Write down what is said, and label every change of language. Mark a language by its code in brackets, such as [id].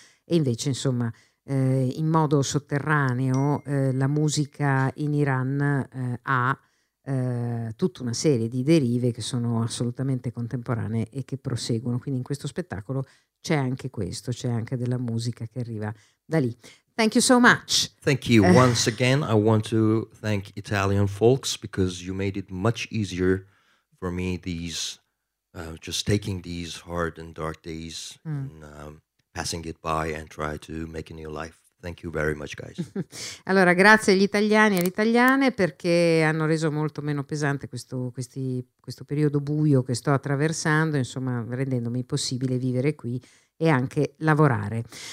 [it] E invece, insomma, in modo sotterraneo la musica in Iran ha tutta una serie di derive che sono assolutamente contemporanee e che proseguono. Quindi in questo spettacolo c'è anche questo, c'è anche della musica che arriva da lì. [en] Thank you so much. Thank you. Once again, I want to thank Italian folks because you made it much easier for me just taking these hard and dark days passing it by and try to make a new life. Thank you very much, guys. [it] Allora, grazie agli italiani e alle italiane perché hanno reso molto meno pesante questo periodo buio che sto attraversando, insomma, rendendomi possibile vivere qui e anche lavorare.